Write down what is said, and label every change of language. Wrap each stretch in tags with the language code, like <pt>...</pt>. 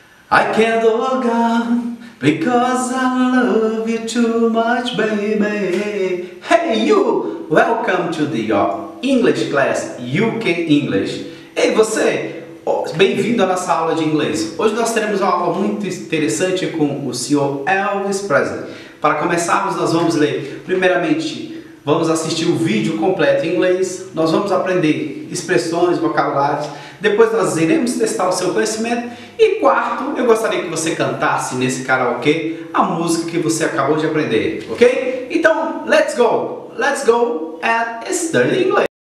<en>I can't walk on because I love you too much, baby. Hey, you! Welcome to the English Class UK English.</en> <pt>Ei, você! Bem-vindo à nossa aula de inglês. Hoje nós teremos uma aula muito interessante com o Sr. Elvis Presley. Para começarmos, nós vamos ler, primeiramente, vamos assistir o vídeo completo em inglês. Nós vamos aprender expressões, vocabulários. Depois nós iremos testar o seu conhecimento. E quarto, eu gostaria que você cantasse nesse karaokê a música que você acabou de aprender, ok? Então,</pt> <en>let's go! Let's go and study English!</en>